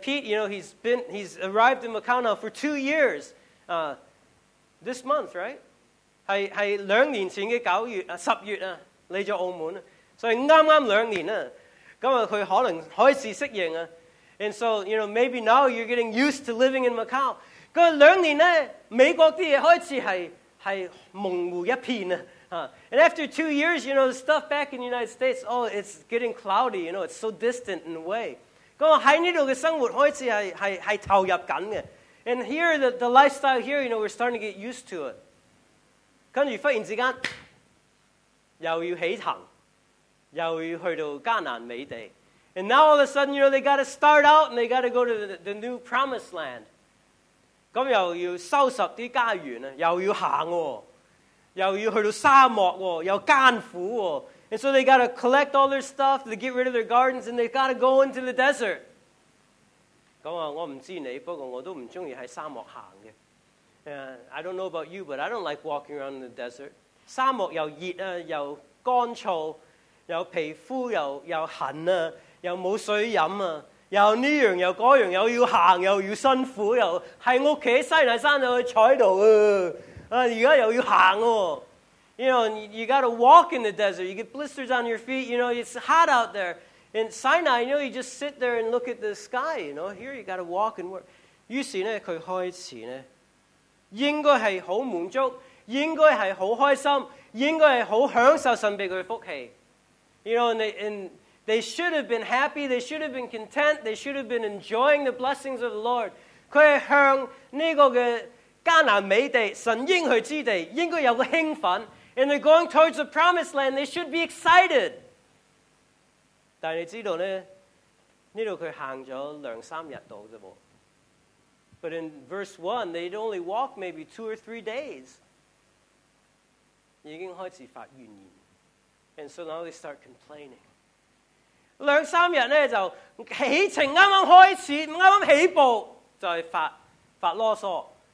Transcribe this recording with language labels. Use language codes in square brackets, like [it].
[en] He's arrived in Macau now for 2 years. This month, right? And so, you know, maybe now you're getting used to living in Macau. [yue] 兩年呢，美國啲嘢開始係蒙糊一片啊， [en] And after 2 years, you know, the stuff back in the United States, oh, it's getting cloudy, you know, it's so distant in a way. [yue] 咁喺呢度嘅生活開始係投入緊嘅。 [en] And here, the lifestyle here, you know, we're starting to get used to it. [yue] 跟住忽然之間，又要起騰，又要去到迦南美地。 [en] And now all of a sudden, you know, they got to start out and they got to go to the new promised land. [yue] 咁又要收拾啲家園，又要行喎。又要去到沙漠喎，又艱苦喎。 [en] And so they got to collect all their stuff, they get rid of their gardens, and they got to go into the desert. [yue] 咁我唔知你，不過我都唔鍾意喺沙漠行嘅。 [en] I don't know about you, but I don't like walking around in the desert. [yue] 沙漠又熱啊，又乾燥，又皮膚又痕啊，又冇水飲啊，又呢樣又嗰樣，又要行，又要辛苦，又喺屋企西奈山又坐喺度啊。 [en] You got to walk in the desert. You know, you got to walk in the desert. You get blisters on your feet. You know, it's hot out there. In Sinai, you know, you just sit there and look at the sky. You know, here you got to walk and work. You see, [yue] 呢佢開始呢應該係好滿足，應該係好開心，應該係好享受神俾佢福氣。 [en] You know, and they should have been happy. They should have been content. They should have been enjoying the blessings of the Lord. [yue] 佢係向呢個嘅迦南美地，神应许之地，应该有个兴奋。 [en] And they're going towards the promised land, they should be excited. [yue] 但你知道呢，呢度佢行咗两三日到啫喎。 [en] But in verse 1, they'd only walk maybe 2 or 3 days. [yue] 已经开始发怨言。 [en] And so now they start complaining. [yue] 两三日呢，就起程啱啱开始，啱啱起步，就系发啰嗦。